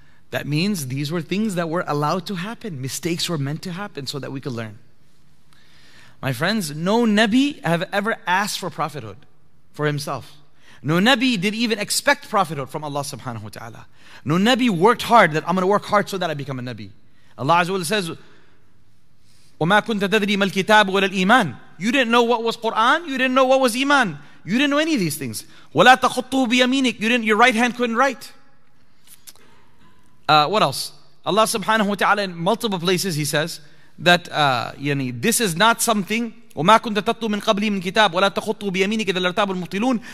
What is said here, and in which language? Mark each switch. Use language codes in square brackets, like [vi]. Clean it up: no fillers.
[en] That means these were things that were allowed to happen. Mistakes were meant to happen so that we could learn. My friends, no Nabi have ever asked for prophethood. For himself. No Nabi did even expect prophethood from Allah subhanahu wa ta'ala. No Nabi worked hard that I'm going to work hard so that I become a Nabi. Allah Azza wa Jalla says, [ar] وَمَا كُنْتَ تَدْرِي مَا الْكِتَابُ وَلَا الْإِيمَانِ. [en] You didn't know what was Quran. You didn't know what was Iman. You didn't know any of these things. [ar] وَلَا تَخُطُّهُ بِيَمِينِكَ. [en] Your right hand couldn't write. What else? Allah subhanahu wa ta'ala in multiple places he says that this is not something. [ar] وَمَا كُنْتَ تَطْلُو مِنْ قَبْلِي مِنْ كِتَابٍ وَلَا تَخُطُّ بِيَمِينِكَ إِذًا لَّارْتَابَ الْمُبْطِلُونَ.